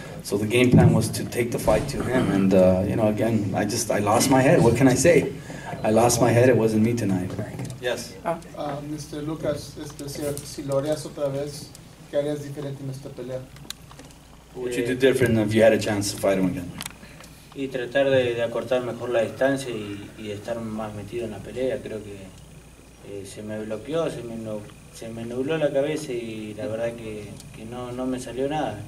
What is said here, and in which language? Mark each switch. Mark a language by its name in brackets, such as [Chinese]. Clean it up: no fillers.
[English] So the game plan was to take the fight to him. And, you know, again, I lost my head. What can I say? I lost my head. It wasn't me tonight. Yes. Mr. [Spanish] Lucas, si lo harías otra vez, ¿qué harías diferente en esta pelea? [English] What would you do different if you had a chance to fight him again? [Spanish] Y tratar de acortar mejor la distancia y estar más metido en la pelea. Creo que se me bloqueó, se me nubló la cabeza y la verdad que no me salió nada.